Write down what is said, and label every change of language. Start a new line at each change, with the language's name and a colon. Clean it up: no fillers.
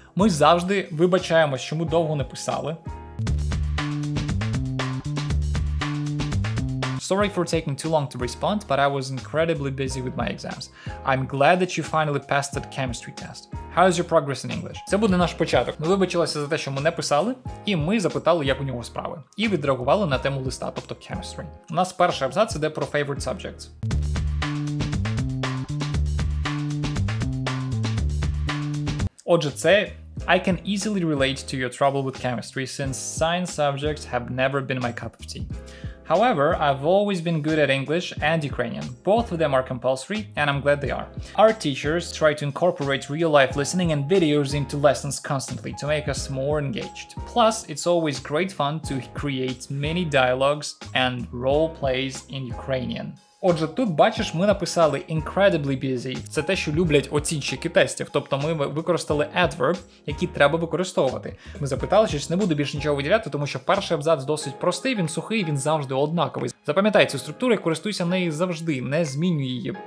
Ukrainian: Ми завжди вибачаємось, що ми довго не писали.
English: Sorry for taking too long to respond, but I was incredibly busy with my exams. I'm glad that you finally passed that chemistry test. How's your progress in English?
Ukrainian: Це буде наш початок. Ми вибачилися за те, що ми не писали, і ми запитали, як у нього справи. І відреагували на тему листа, тобто chemistry. У нас перший абзац іде про
English: favorite subjects.
Ukrainian: Отже, це...
English: I can easily relate to your trouble with chemistry, since science subjects have never been my cup of tea. However, I've always been good at English and Ukrainian. Both of them are compulsory, and I'm glad they are. Our teachers try to incorporate real-life listening and videos into lessons constantly to make us more engaged. Plus, it's always great fun to create mini dialogues and role plays in Ukrainian.
Ukrainian: Отже, тут, бачиш, ми написали
English: incredibly busy.
Ukrainian: Це те, що люблять оцінщики тестів. Тобто ми використали adverb, який треба використовувати. Ми запитали, що не буду більше нічого виділяти, тому що перший абзац досить простий, він сухий, він завжди однаковий. Запам'ятай цю структуру і користуйся нею завжди, не змінюй її.